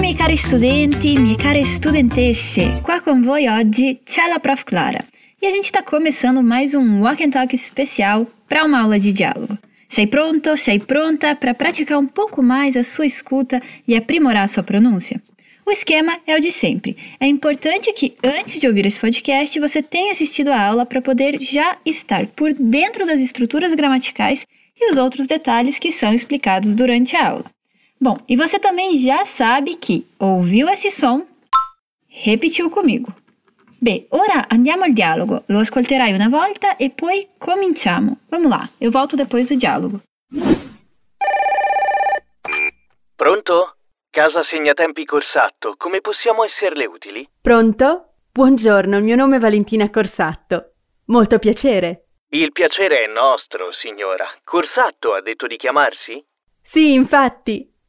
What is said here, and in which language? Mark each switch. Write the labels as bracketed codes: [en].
[it] Cari studenti, mie care studentesse, qua con voi oggi c'è la Prof. [pt] Clara e a gente tá começando mais Walk and Talk especial para uma aula de diálogo. [it] Sei pronto, sei pronta [pt] para praticar pouco mais a sua escuta e aprimorar a sua pronúncia? O esquema é o de sempre. É importante que antes de ouvir esse podcast você tenha assistido a aula para poder já estar por dentro das estruturas gramaticais e os outros detalhes que são explicados durante a aula. Bom, e você também já sabe que ouviu esse som, repetiu comigo. [it] Bem, ora andiamo al dialogo. Lo ascolterai una volta e poi cominciamo. [pt] Vamos lá, eu volto depois do dialogo. [it] Pronto? Casa Segnatempi Corsatto, come possiamo esserle utili? Pronto? Buongiorno, il mio nome è Valentina Corsatto. Molto piacere. Il piacere è nostro, signora. Corsatto ha detto di chiamarsi? Sì, infatti.